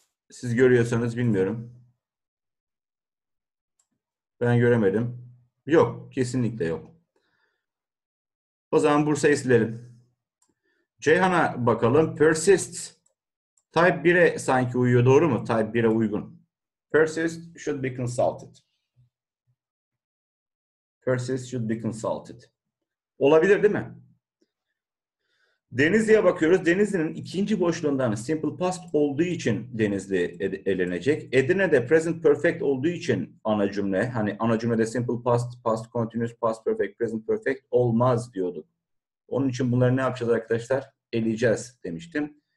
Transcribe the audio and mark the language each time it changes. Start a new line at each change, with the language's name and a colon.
Turkish: Siz görüyorsanız bilmiyorum. Ben göremedim. Yok, kesinlikle yok. O zaman Bursa'yı silelim. Ceyhan'a bakalım. Persist. Type 1'e sanki uyuyor, doğru mu? Type 1'e uygun.
English: Persist should be consulted. Persist should be consulted.
Turkish: Olabilir değil mi? Denizli'ye bakıyoruz. Denizli'nin ikinci boşluğundan simple past olduğu için Denizli elenecek. Edirne'de present perfect olduğu için ana cümle. Hani ana cümlede simple past, past continuous, past perfect, present perfect olmaz diyorduk. Onun için bunları ne yapacağız arkadaşlar? Eleyeceğiz demiştim.